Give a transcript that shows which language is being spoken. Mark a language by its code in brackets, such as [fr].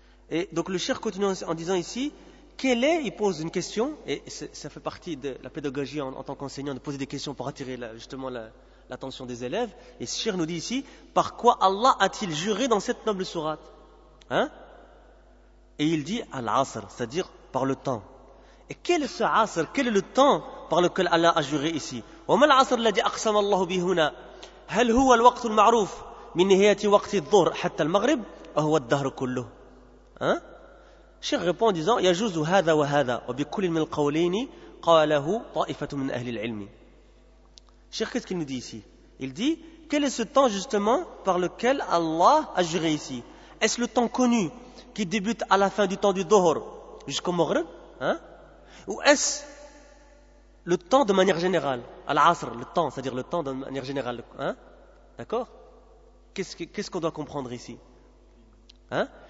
[fr] Et donc le cheikh continue en disant ici, quel est, il pose une question, et ça fait partie de la pédagogie en tant qu'enseignant, de poser des questions pour attirer justement l'attention des élèves. Et ce cheikh nous dit ici, par quoi Allah a-t-il juré dans cette noble sourate, hein? Et il dit al-asr, c'est-à-dire par le temps. Et quel est ce asr, quel est le temps par lequel Allah a juré ici? [ar] وما العصر الذي أقسم الله به هنا؟ هل هو الوقت المعروف من نهاية وقت الظهر حتى المغرب أو هو الدهر كله؟ hein? الشيخ [fr] répond en disant [ar] يجوز هذا وهذا وبكل من القولين قاله طائفة من أهل العلم. [fr] الشيخ qu'est-ce qu'il nous dit ici? Il dit, quel est ce temps justement par lequel Allah a juré ici? Est-ce le temps connu qui débute à la fin du temps du dhuhr jusqu'au maghrib, hein? Ou est-ce le temps de manière générale, al-asr, le temps, c'est-à-dire le temps de manière générale, hein? D'accord? Qu'est-ce qu'on doit comprendre ici? Hein?